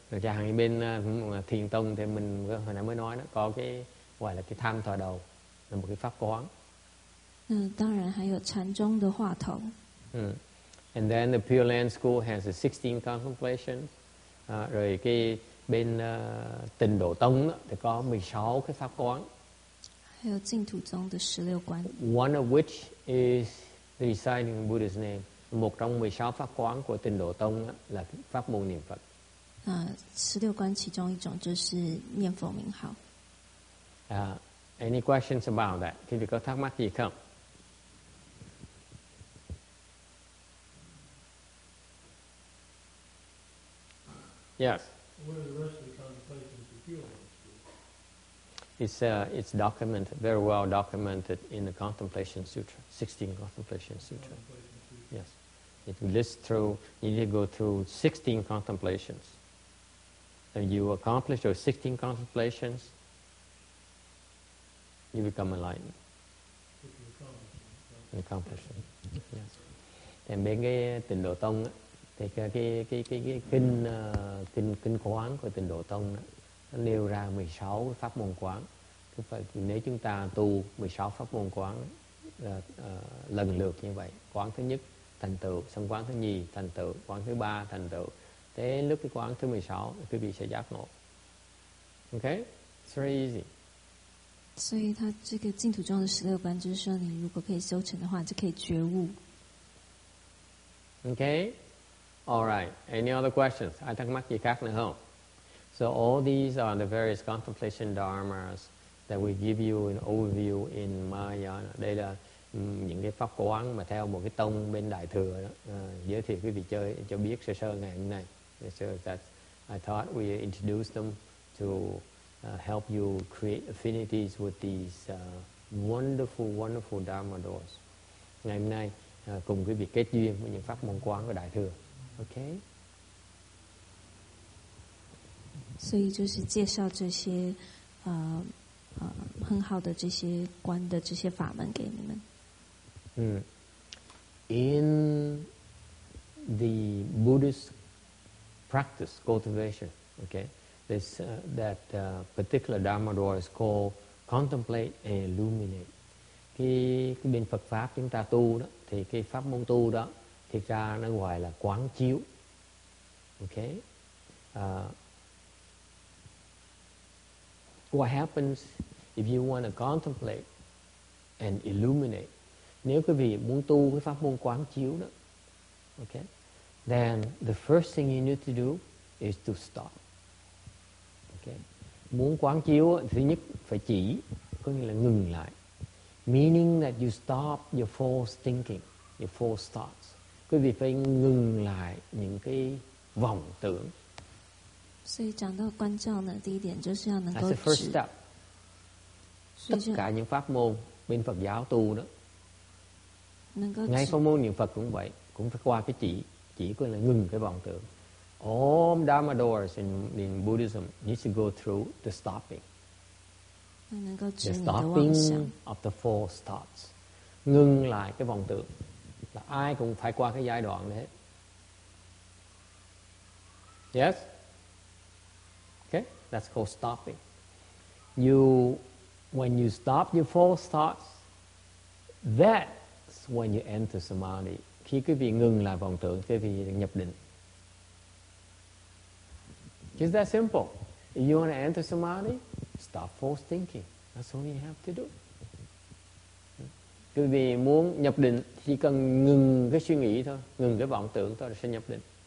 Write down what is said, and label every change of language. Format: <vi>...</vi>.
<vi>Rồi cha hàng bên Thiền tông thì mình hồi nãy mới nói đó, có cái gọi là cái tham thọ đầu, là một cái pháp quán.</vi> <zh>当然还有禅宗的话头。</zh> <en>And then the Pure Land School has a 16 contemplation.</en> <vi>Rồi cái bên Tịnh Độ Tông thì có 16 cái pháp quán.</vi> <zh>还有净土宗的16观.</zh> <en>One of which is the reciting Buddha's name.</en> <vi>Một trong 16 pháp quán của Tịnh Độ Tông là pháp môn niệm Phật.</vi> <zh>16观其中一种就是念佛名号.</zh> <en>Any questions about that?</en> <vi>Quý vị có thắc mắc gì không?</vi> <en>Yes. What are the rest of the contemplations you feel like? It's documented, very well documented in the Contemplation Sutra, 16 Contemplation Sutra. Yes. It lists through, you need to go through 16 contemplations. And you accomplish those 16 contemplations, you become enlightened. An accomplishment. Yes.</en> <vi>Thì mấy cái tịnh độ tông á, thì cái kinh kinh quán của tịnh độ tông á, nó nêu ra 16 cái pháp môn quán. Cứ phải nếu chúng ta tu 16 pháp môn quán là lần lượt như vậy, quán thứ nhất thành tựu, xong quán thứ nhì thành tựu, quán thứ ba thành tựu, thế lúc cái quán thứ 16 quý vị sẽ giác ngộ.</vi> <en>Okay, it's very easy.</en> <zh>所以他这个净土宗的十六般知识，你如果可以修成的话，就可以觉悟。</zh> <en>Okay, all right. Any other questions?</en> <vi>Ai thắc mắc gì khác nữa không?</vi> <en>So all these are the various contemplation dharmas that we give you an overview in Mahayana.</en> <vi>Đây là những cái pháp quán mà theo một cái tông bên Đại thừa đó, giới thiệu quý vị chơi cho biết sơ sơ ngày hôm nay.</vi> <en>So that I thought we introduced them to help you create affinities with these wonderful, wonderful Dharma doors.</en> <vi>Ngày hôm nay, cùng quý vị kết duyên với những pháp môn quán của Đại Thừa.</vi> <en>Okay?</en> <zh>所以就是介绍这些 很好的这些观的这些法门给你们.</zh> <en>In the Buddhist practice, cultivation, okay? This that particular Dharma door is called contemplate and illuminate.</en> <vi>Cái bên Phật pháp chúng ta tu đó, thì cái pháp môn tu đó thì ra nó gọi là quán chiếu.</vi> <en>Okay. What happens if you want to contemplate and illuminate?</en> <vi>Nếu quý vị muốn tu cái pháp môn quán chiếu đó,</vi> <en>okay, then the first thing you need to do is to stop.</en> <vi>Muốn quán chiếu thứ nhất phải chỉ, có nghĩa là ngừng lại.</vi> <en>Meaning that you stop your false thinking, your false thoughts.</en> <vi>Quý vị phải ngừng lại những cái vọng tưởng.</vi> <zh>所以讲到观照呢，第一点就是要能够。</zh> <en>That's the first step.</en> <vi>Tất cả những pháp môn bên Phật giáo tu đó, ngay pháp môn niệm Phật cũng vậy, cũng phải qua cái chỉ có nghĩa là ngừng cái vọng tưởng.</vi> <en>All Dharma doors in Buddhism needs to go through the stopping. The stopping of the false thoughts.</en> <vi>Ngừng lại cái vọng tưởng. Là ai cũng phải qua cái giai đoạn đấy.</vi> <en>Yes? Okay, that's called stopping. When you stop your false thoughts, that's when you enter samadhi.</en> <vi>Khi quý vị ngừng lại vọng tưởng, quý vị nhập định.</vi> <en>It's that simple. If you want to enter samadhi, stop false thinking. That's all you have to do.</en> <vi>Quý vị muốn nhập định, chỉ cần ngừng cái suy nghĩ thôi, ngừng cái vọng tưởng thôi, sẽ nhập định.</vi>